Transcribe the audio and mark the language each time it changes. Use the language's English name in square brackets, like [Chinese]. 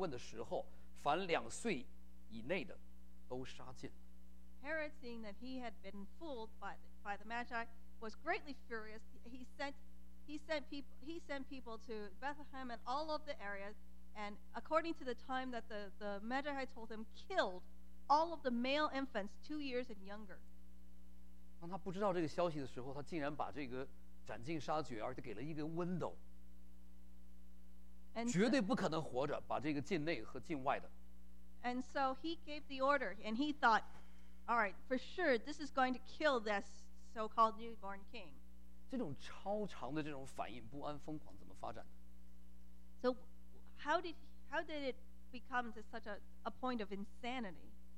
[Chinese] 这个一个恶人自然有一个反应。当这个希律王发现自己被智者去嘲弄了哈，然后又大大的发怒，差人将伯利恒并四境所有的男孩，照了向博士仔细查问的时候，凡两岁以内的都杀尽。 [English] Herod, seeing that he had been fooled by the Magi, was greatly furious. He sent people to Bethlehem and all of the areas, and according to the time that the Magi had told him, killed all of the male infants 2 years and younger. [Chinese] 当他不知道这个消息的时候，他竟然把这个斩尽杀绝，而且给了一个window。 [English] And so he gave the order, and he thought, all right, for sure, this is going to kill this so-called newborn king. [Chinese] 这种超长的这种反应，不安疯狂怎么发展的？ [English] So how did it become to such a point of insanity?